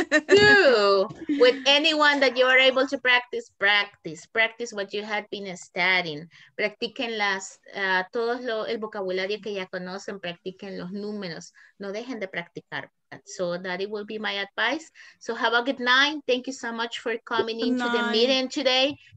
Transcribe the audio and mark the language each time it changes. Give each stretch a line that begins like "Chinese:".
English: Two, with anyone that you are able to practice, practice. Practice what you had been studying.
Spanish: Practiquen las, todo lo, el vocabulario que ya conocen, practiquen los números. No dejen de practicar.
English: So that it will be my advice. So have a good night. Thank you so much for coming into the meeting today.